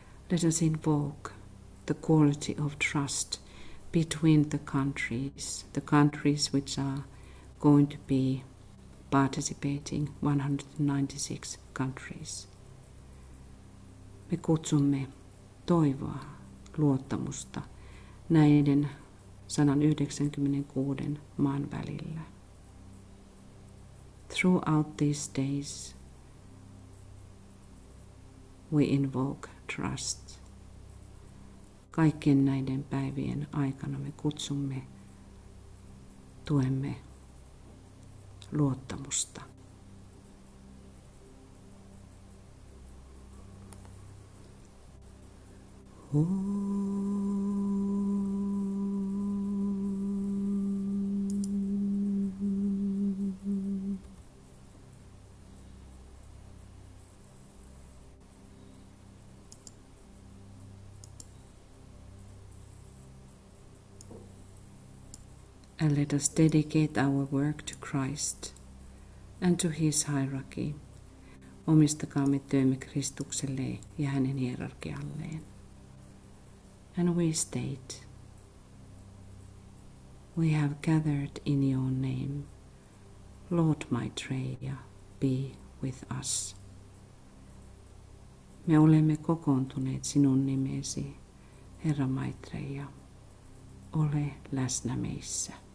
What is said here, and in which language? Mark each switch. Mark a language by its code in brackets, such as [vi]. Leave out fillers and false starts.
[en] Let us invoke the quality of trust between the countries which are going to be participating, 196 countries. [fi] Me kutsumme toivoa, luottamusta näiden 196 maan välillä. [en] Throughout these days, we invoke trust. [fi] Kaikkien näiden päivien aikana me kutsumme, tuemme luottamusta. [en] And let us dedicate our work to Christ and to his hierarchy. [fi] Omistakaamme työmme Kristukselle ja hänen hierarkialleen. [en] And we state, we have gathered in your name, Lord Maitreya, be with us. [fi] Me olemme kokoontuneet sinun nimesi, Herra Maitreya, ole läsnä meissä.